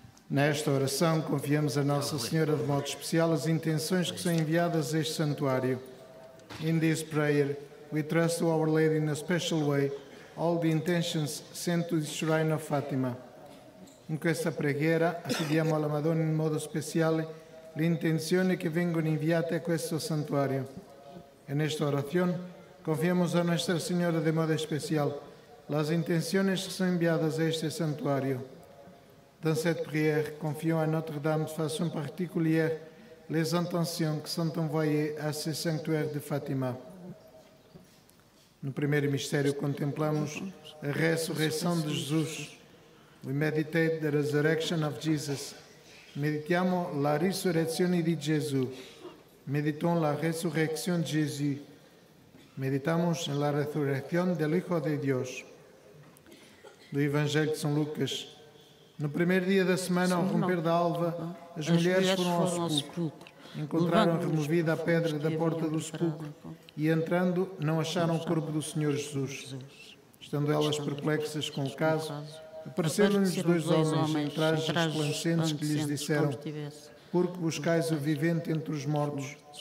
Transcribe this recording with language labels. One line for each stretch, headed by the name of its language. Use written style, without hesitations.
Portuguese: Nesta oração, confiamos a Nossa Senhora de modo especial as intenções que são enviadas a este santuário.
English: In this prayer, we trust to Our Lady in a special way all the intentions sent to the Shrine of Fatima.
Italian: In questa preghiera, affidiamo alla Madonna in modo speciale le intenzioni che vengono inviate a questo santuario.
Portuguese: In esta oração, confiamos a Nossa Senhora de modo especial as intenções que são enviadas a este santuário.
French: Dans cette prière, confions à Notre-Dame de façon particulière les intentions qui sont envoyées à ce sanctuaire de Fatima.
Portuguese: No primeiro mistério, contemplamos a ressurreição de Jesus.
English: We meditate the resurrection of Jesus.
Italian: Meditiamo la risurrezione di Gesù.
French: Meditons la resurrection de Jésus.
Spanish: Meditamos en la resurrección del Hijo de Dios.
Portuguese: Do Evangelho de São Lucas. No primeiro dia da semana, ao romper da alva, as mulheres foram ao sepulcro. Encontraram removida a pedra da porta do sepulcro e, entrando, não acharam o corpo do Senhor Jesus. Estando elas perplexas com o caso, apareceram-lhes dois homens em trajes resplandecentes que lhes disseram: "Por que buscais o vivente entre os mortos?